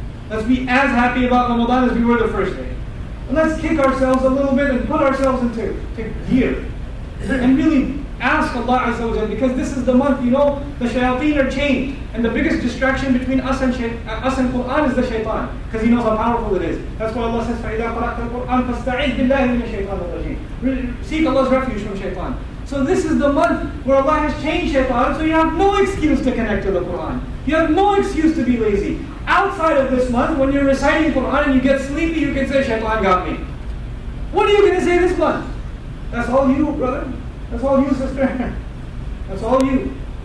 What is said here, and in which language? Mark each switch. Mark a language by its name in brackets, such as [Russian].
[English] Let's be as happy about Ramadan as we were the first day. And let's kick ourselves a little bit and put ourselves into gear. And really ask Allah Azza wa Jalla, because this is the month, you know, the shayateen are chained. And the biggest distraction between us and Quran is the shaytan. Because he knows how powerful it is. [Arabic] That's why Allah says, فَإِذَا قَرَأْتَ الْقُرْآنَ فَاسْتَعِذْ بِاللَّهِ مِنَ الشَّيْطَانِ الرَّجِيمِ. [English] Seek Allah's refuge from shaytan. So this is the month where Allah has changed shaitan, so you have no excuse to connect to the Quran. You have no excuse to be lazy. Outside of this month, when you're reciting Quran and you get sleepy, you can say, shaitan got me. What are you going to say this month? That's all you, brother. That's all you, sister. That's all you.